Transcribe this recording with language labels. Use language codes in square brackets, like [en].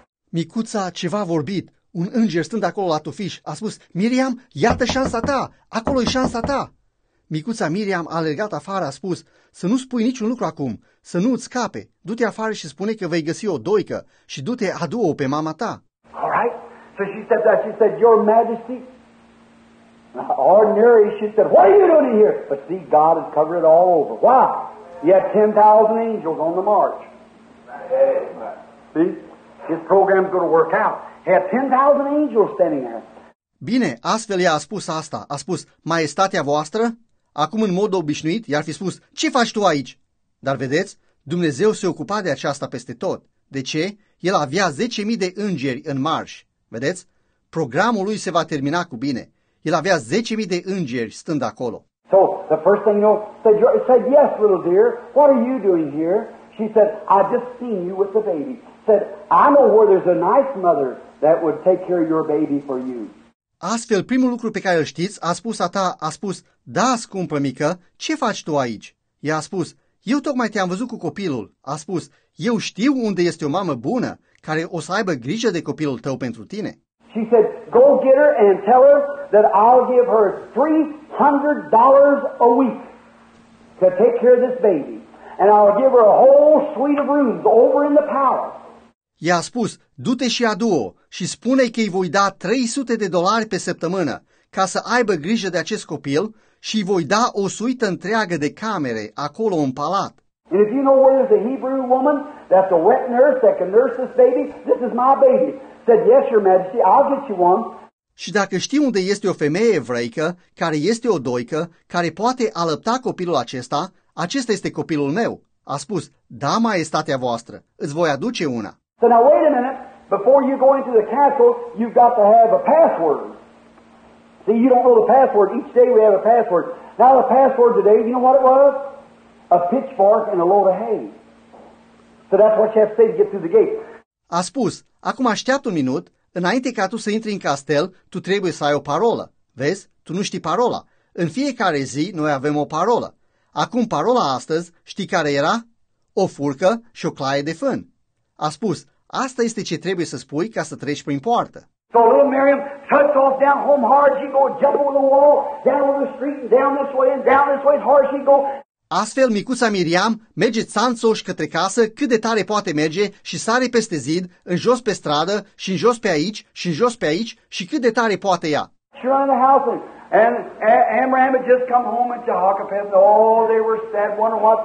[ro] Micuța ceva a vorbit. Un înger stând acolo la tufiș a spus, Miriam, iată șansa ta, acolo e șansa ta. Micuța Miriam a alergat afară, a spus, să nu spui niciun lucru acum, să nu îți scape. Du-te afară și spune că vei găsi o doică și du-te, adu-o pe mama ta. [en] All right. So she said that. She said, your majesty. Ordinary, she said, what are you doing here? But see, God has covered it all over. Why? You have 10,000 angels on the march. See? His program's going to work out. Have 10,000 angels standing there. [ro] Bine, astfel ea a spus asta. A spus, maestatea voastră? Acum, în mod obișnuit, i-ar fi spus, ce faci tu aici? Dar vedeți, Dumnezeu se ocupa de aceasta peste tot. De ce? El avea 10.000 de îngeri în marș. Vedeți? Programul lui se va termina cu bine. El avea 10.000 de îngeri stând acolo. [en] So, the first thing, you know, said, yes, little dear, what are you doing here? She said, I just seen you with the baby. Said, I know where there's a nice mother that would take care of your baby for you. [ro] Astfel, primul lucru pe care îl știți, a spus a ta, a spus, da, scumpă mică, ce faci tu aici? Ea a spus, eu tocmai te-am văzut cu copilul. A spus, eu știu unde este o mamă bună care o să aibă grijă de copilul tău pentru tine. [en] She said, go get her and tell her that I'll give her $300 a week to take care of this baby. And I'll give her a whole suite of rooms over in the palace. [ro] Ea a spus, du-te și adu-o și spune că îi voi da $300 pe săptămână ca să aibă grijă de acest copil și îi voi da o suită întreagă de camere acolo în palat. [en] And if you know where is a Hebrew woman that's a wet nurse that can nurse this baby, this is my baby. Said, yes, your majesty, I'll get you one. [ro] Și dacă știi unde este o femeie evreică care este o doică, care poate alăpta copilul acesta, acesta este copilul meu. A spus, da, maestatea voastră, îți voi aduce una. [en] So now wait a minute, before you go into the castle, you've got to have a password. See, you don't know the password. Each day we have a password. Now the password today, you know what it was? A pitchfork and a load of hay. So that's what you have to say to get through the gate. [ro] A spus, acum așteaptă un minut, înainte ca tu să intri în castel, tu trebuie să ai o parolă. Vezi, tu nu știi parola. În fiecare zi noi avem o parolă. Acum parola astăzi, știi care era? O furcă și o claie de fân. A spus, asta este ce trebuie să spui ca să treci prin poartă. [en] So little Miriam cuts off down home hard, she go jump over the wall, down on the street, down this way and down this way, hard she go. [ro] Astfel, micuța Miriam merge țanțoș către casă cât de tare poate merge și sare peste zid, în jos pe stradă și în jos pe aici și în jos pe aici și cât de tare poate ea. [en] She ran in the house and Amram had just come home at Jehoshaphat. Oh, they were sad, wondering what.